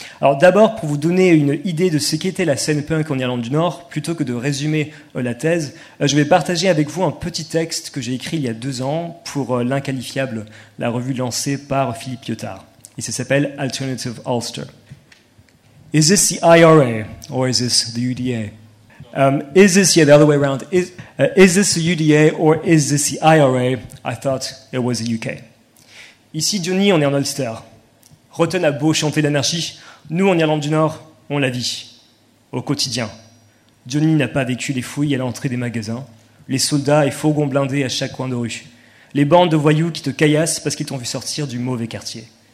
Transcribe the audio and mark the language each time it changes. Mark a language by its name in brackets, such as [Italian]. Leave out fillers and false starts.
[French] Alors d'abord, pour vous donner une idée de ce qu'était la scène punk en Irlande du Nord, plutôt que de résumer la thèse, je vais partager avec vous un petit texte que j'ai écrit il y a 2 ans pour l'Inqualifiable, la revue lancée par Philippe Lyotard. Et ça s'appelle Alternative Ulster. [English] Is this the IRA or is this the UDA? Is this, yeah, the other way around, is this the UDA or is this the IRA? I thought it was the UK. [French] Ici, Johnny, on est en Ulster. Rotten a beau chanter l'anarchie, nous, en Irlande du Nord, on la vit, au quotidien. Johnny n'a pas vécu les fouilles à l'entrée des magasins, les soldats et fourgons blindés à chaque coin de rue, les bandes de voyous qui te caillassent parce qu'ils t'ont vu sortir du mauvais quartier.